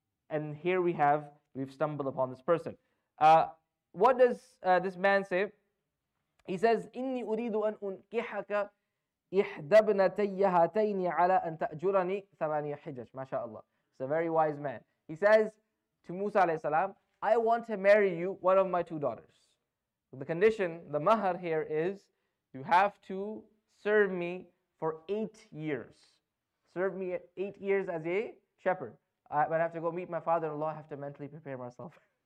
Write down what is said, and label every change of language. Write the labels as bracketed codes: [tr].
[en] And here we've stumbled upon this person. What does this man say? He says, [ar] إني أريد أن أنكحك إحدى ابنتي هاتين على أن تأجرني ثمانية حجج. ما شاء الله. [en] He's a very wise man. He says to Musa عليه السلام, I want to marry you, one of my two daughters. So the condition, the mahar here is, you have to serve me for 8 years. Serve me 8 years as a shepherd. When I have to go meet my father-in-law, I have to mentally prepare myself.